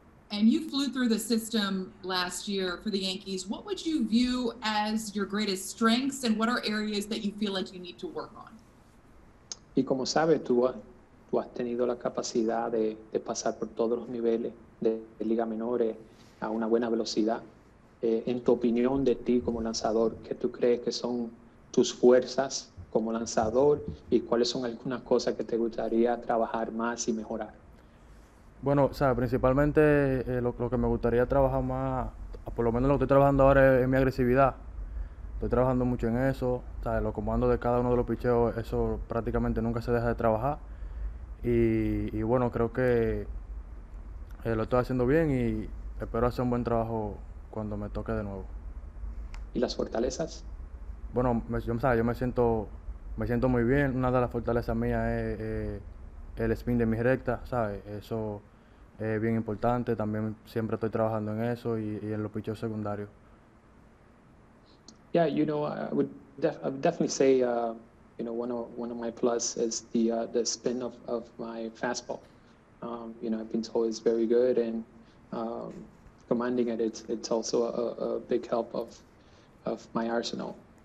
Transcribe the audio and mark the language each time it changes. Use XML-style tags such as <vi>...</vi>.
<en>And you flew through the system last year for the Yankees. What would you view as your greatest strengths, and what are areas that you feel like you need to work on?</en> <es>Y como sabes, tú has tenido la capacidad de pasar por todos los niveles de liga menores a una buena velocidad. En tu opinión de ti como lanzador, ¿qué tú crees que son tus fuerzas como lanzador y cuáles son algunas cosas que te gustaría trabajar más y mejorar? Bueno, o sea, principalmente lo que me gustaría trabajar más, por lo menos lo que estoy trabajando ahora es mi agresividad. Estoy trabajando mucho en eso, o sea, los comandos de cada uno de los picheos, eso prácticamente nunca se deja de trabajar. Y bueno, creo que lo estoy haciendo bien y espero hacer un buen trabajo cuando me toque de nuevo. ¿Y las fortalezas? Bueno, yo me siento muy bien. Una de las fortalezas mías es el spin de mi recta, ¿sabes? Eso es bien importante. También siempre estoy trabajando en eso y en los picheos secundarios.</es> <en>Yeah, you know, I would definitely say, you know, one of my plus is the spin of my fastball. You know, I've been told it's very good, and commanding it, it's also a big help of my arsenal.</en>